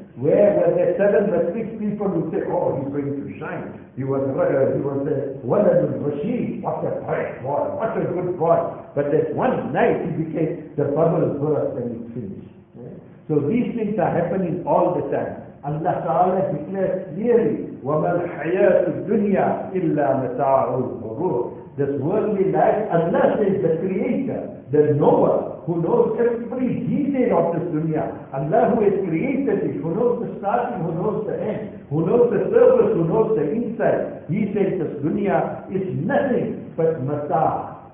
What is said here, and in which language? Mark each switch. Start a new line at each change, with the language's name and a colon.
English: Where were there 7 matric people who say, oh, he's going to shine. He was a wonderful machine. What a great boy. What a good boy. But that one night he became the bubble burst and it finished. So these things are happening all the time. Allah Ta'ala declares clearly,
Arabic: وَمَا الْحَيَاةُ الدُّنْيَا إِلَّا مَتَاعُ الْغُرُورِ.
English: This worldly life, Allah says, the creator, the knower, who knows every detail of this dunya, Allah who has created it, who knows the starting, who knows the end, who knows the surface, who knows the inside, he says this dunya is nothing but mataa.